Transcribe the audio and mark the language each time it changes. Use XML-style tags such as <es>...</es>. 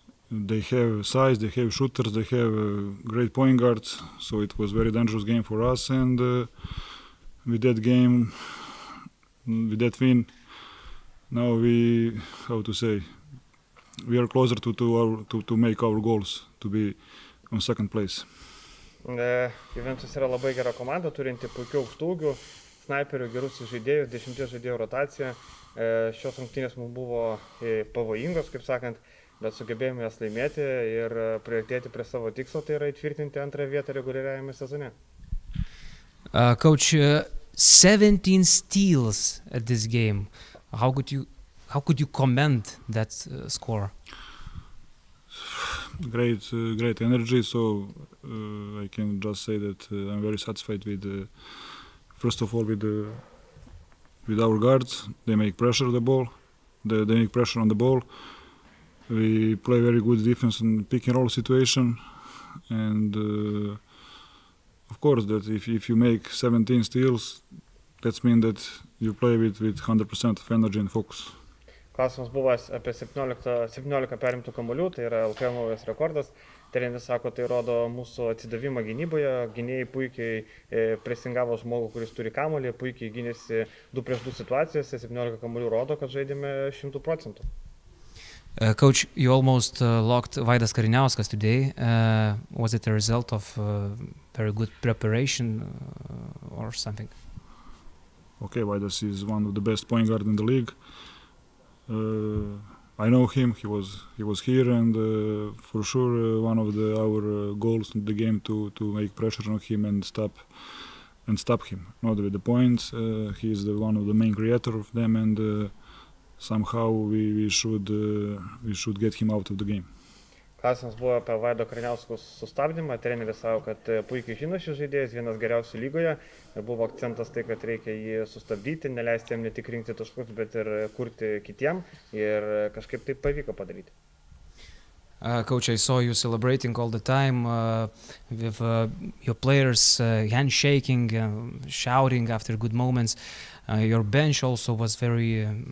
<en>They have size, they have shooters, they have great point guards. So it was a very dangerous game for us. And with that game, with that win, now we, how to say, we are closer to make our goals, to be on second place.</en> <lt>Juventus yra labai gera komanda, turinti puikių aukštaūgių, snaiperių, gerus žaidėjus, 10 žaidėjų rotaciją. Šios rungtynės mums buvo pavojingos, kaip sakant, bet sugebėjome jas laimėti ir priartėti prie savo tikslo, tai yra įtvirtinti antrąją vietą reguliariajame sezone.</lt> <en>Coach, 17 steals at this game. How could you comment that score? Great energy. So I can just say that I'm very satisfied with first of all with our guards. They make pressure the ball. They make pressure on the ball. We play very good defense in pick and roll situation. And of course that if you make 17 steals, that means that you play with 100% of energy and focus.</en> <lt>Klausimas buvo apie 17 perimtų kamuolių, tai yra LKL naujas rekordas. Treneris sako, tai rodo mūsų atsidavimą gynyboje. Gynėjai puikiai presingavo žmogų, kuris turi kamuolį, puikiai gynėsi 2-2 situacijose. 17 kamuolių rodo, kad žaidėme 100%.</lt> <en>Coach, you almost locked Vaidas Kariniauskas today. Was it a result of very good preparation or something? Okay, Vaidas is one of the best point guard in the league. I know him. He was here, and for sure one of our goals in the game to make pressure on him and stop him. Not with the points. He is one of the main creator of them, and somehow we should get him out of the game.</en> <lt>Klausimas buvo apie Vaido Kariniauskų sustabdymą. Treneris sako, kad puikiai žino šis žaidėjas, vienas geriausių lygoje. Buvo akcentas tai, kad reikia jį sustabdyti, neleisti jam ne tik rinkti taškus, bet ir kurti kitiem. Ir kažkaip taip pavyko padaryti.</lt> <en>Coach, I saw you celebrating all the time with your players handshaking, shouting after good moments. Your bench also was very</en>